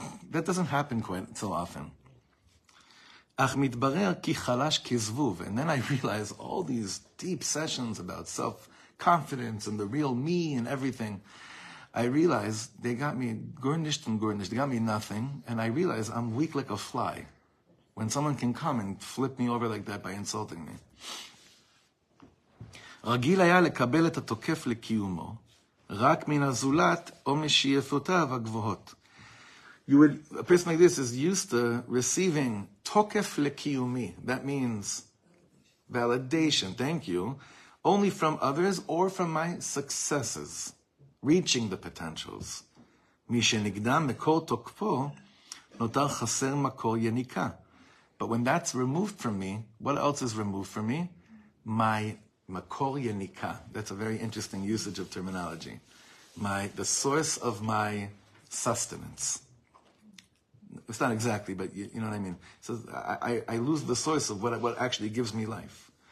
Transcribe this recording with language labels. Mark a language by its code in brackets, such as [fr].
[en] That doesn't happen quite so often. And then I realize all these deep sessions about self-confidence and the real me and everything. I realize they got me gurnished and gurnished. They got me nothing. And I realize I'm weak like a fly when someone can come and flip me over like that by insulting me. [he] רגיל היה לקבל את התוקף לקיומו רק מן הזולת או משאיפותיו הגבוהות. [en] A person like this is used to receiving [he] tokef lekiyumi. [en] That means validation, thank you, only from others or from my successes, reaching the potentials. [he] מי שנגדם מקור תוקפו נותר חסר מקור יניקה. [en] But when that's removed from me, what else is removed from me? My makor yenika. That's a very interesting usage of terminology. The source of my sustenance. It's not exactly, but you know what I mean. So I lose the source of what actually gives me life.